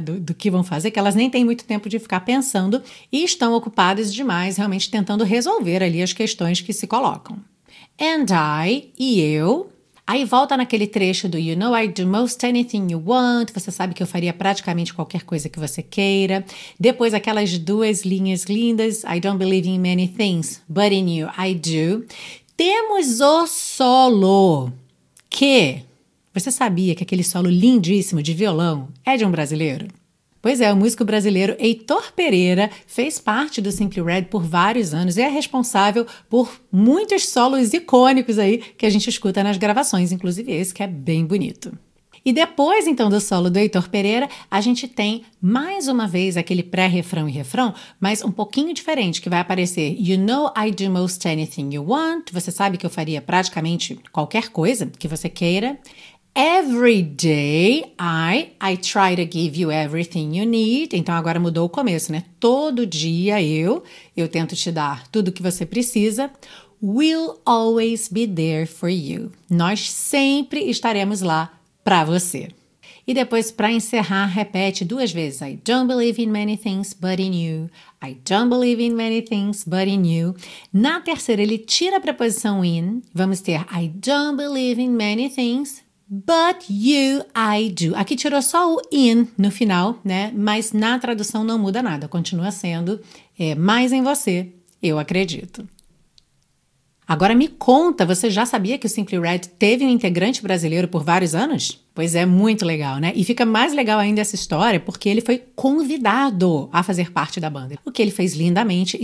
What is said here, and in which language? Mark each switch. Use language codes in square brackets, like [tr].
[pt] Do que vão fazer, que elas nem têm muito tempo de ficar pensando e estão ocupadas demais, realmente tentando resolver ali as questões que se colocam. [en] And I, [pt] e eu... Aí volta naquele trecho do [en] You know I do most anything you want. [pt] Você sabe que eu faria praticamente qualquer coisa que você queira. Depois aquelas duas linhas lindas. [en] I don't believe in many things, but in you I do. [pt] Temos o solo. Que? Você sabia que aquele solo lindíssimo de violão é de um brasileiro? Pois é, o músico brasileiro Heitor Pereira fez parte do Simply Red por vários anos e é responsável por muitos solos icônicos aí que a gente escuta nas gravações, inclusive esse que é bem bonito. E depois, então, do solo do Heitor Pereira, a gente tem mais uma vez aquele pré-refrão e refrão, mas um pouquinho diferente, que vai aparecer [en] You know I do most anything you want. [pt] Você sabe que eu faria praticamente qualquer coisa que você queira. [en] Every day I try to give you everything you need. [pt] Então agora mudou o começo, né? Todo dia eu tento te dar tudo o que você precisa. [en] We'll always be there for you. [pt] Nós sempre estaremos lá para você. E depois, para encerrar, repete duas vezes. [en] I don't believe in many things but in you. I don't believe in many things but in you. [pt] Na terceira, ele tira a preposição in. Vamos ter [en] I don't believe in many things but you, I do. [pt] Aqui tirou só o in no final, né? Mas na tradução não muda nada. Continua sendo mais em você, eu acredito. Agora me conta, você já sabia que o Simply Red teve um integrante brasileiro por vários anos? Pois é, muito legal, né? E fica mais legal ainda essa história porque ele foi convidado a fazer parte da banda, o que ele fez lindamente.